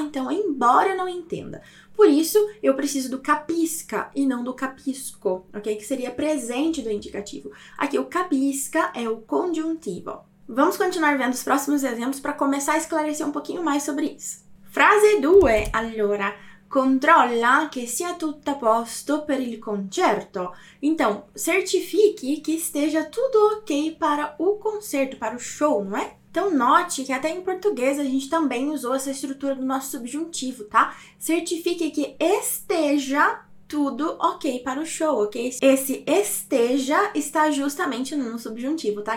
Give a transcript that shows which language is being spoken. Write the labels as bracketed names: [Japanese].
[Portuguese] Então, embora não entenda. Por isso, eu preciso do capisca e não do capisco, ok? Que seria presente do indicativo. Aqui, o capisca é o conjuntivo. Vamos continuar vendo os próximos exemplos para começar a esclarecer um pouquinho mais sobre isso. [Italian] Frase 2, allora. Controlla che sia tutto a posto per il concerto. [Portuguese] Então, certifique que esteja tudo ok para o concerto, para o show, não é? Então, note que até em português a gente também usou essa estrutura do nosso subjuntivo, tá? Certifique que esteja tudo ok para o show, ok? Esse esteja está justamente no subjuntivo, tá?